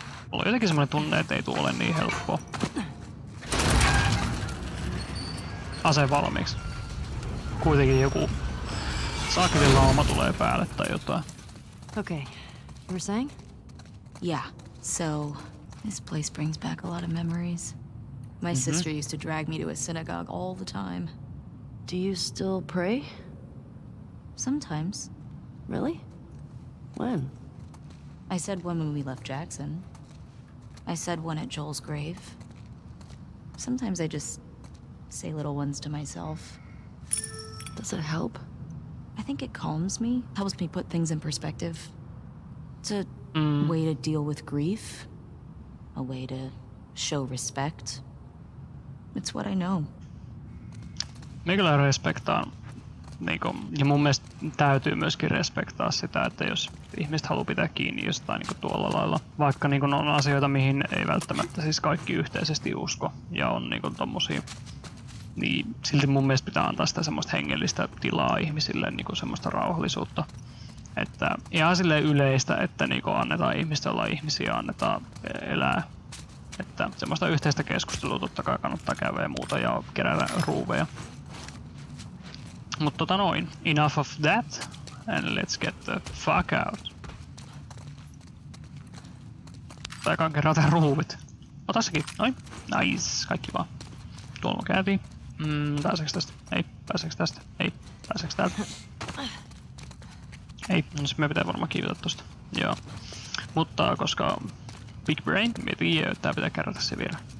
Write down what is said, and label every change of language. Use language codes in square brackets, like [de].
[fi] Mulla on jotenkin semmonen tunne, ettei tuu ole niin helppoa. Ase valmiiksi. Kuitenkin joku saakelilla oma tulee päälle tai jotain. [en] Okay. You were saying? Yeah. So, this place brings back a lot of memories. My sister used to drag me to a synagogue all the time. Do you still pray? Sometimes. Really? When? I said one when we left Jackson. I said one at Joel's grave. Sometimes I just say little ones to myself. Does it help? I think it calms me, helps me put things in perspective. It's a way to deal with grief, a way to show respect. It's what I know. [fi] Mikäli respektaa, niin kuin, ja mun mielestä täytyy myöskin respektaa sitä, että jos ihmiset haluaa pitää kiinni jostain niin kuin tuolla lailla, vaikka niin kuin on asioita, mihin ei välttämättä siis kaikki yhteisesti usko ja on niin kuin tommosia. Niin silti mun mielestä pitää antaa sitä semmoista hengellistä tilaa ihmisille, niin kuin semmoista rauhallisuutta. Että ihan silleen yleistä, että niin kuin annetaan ihmisten olla ihmisiä, annetaan elää. Että semmoista yhteistä keskustelua totta kai kannattaa käydä ja muuta ja kerätä ruuveja. Mutta tota noin, [en] enough of that, and let's get the fuck out. [fi] Tai kankerata ruuvit. Ota sekin, noin, nice, kaikki vaan. Tuolla käytiin. Pääseekö tästä? Ei. Pääseekö tästä? Ei. Pääseekö täältä? Ei. No siis me pitää varmaan kiivetä tosta. Joo. Mutta koska Big Brain mietin, että tää pitää kerrata se vielä.